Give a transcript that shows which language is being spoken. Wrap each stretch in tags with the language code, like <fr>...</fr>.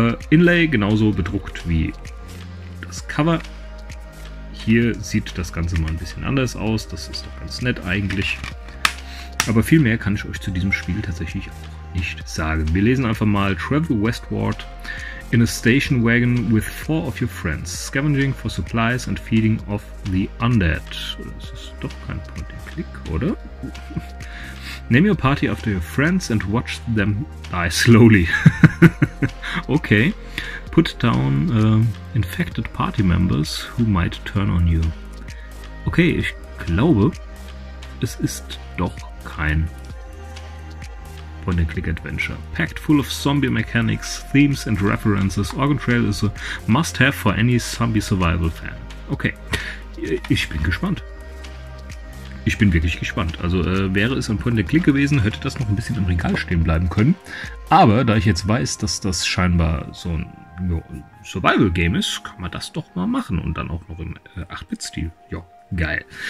<de>Inlay genauso bedruckt wie das Cover. Hier sieht das Ganze mal ein bisschen anders aus. Das ist doch ganz nett eigentlich. Aber viel mehr kann ich euch zu diesem Spiel tatsächlich auch nicht sagen. Wir lesen einfach mal Travel Westward.</de> <en>In a station wagon with four of your friends, scavenging for supplies and feeding off the undead.</en> <de>Das ist doch kein Point and Click, oder?</de> <en>Name your party after your friends and watch them die slowly. Okay. Put down infected party members who might turn on you.</en> <de>Okay, ich glaube, es ist doch kein Point-and-Click-Adventure.</de> <en>Packed full of zombie mechanics, themes and references, Oregon Trail is a must-have for any Zombie-Survival-Fan.</en> <de>Okay, ich bin gespannt. Ich bin wirklich gespannt. Also wäre es ein Point-and-Click gewesen, hätte das noch ein bisschen im Regal stehen bleiben können. Aber da ich jetzt weiß, dass das scheinbar so ein Survival-Game ist, kann man das doch mal machen und dann auch noch im 8-Bit-Stil. Ja. Geil.</de>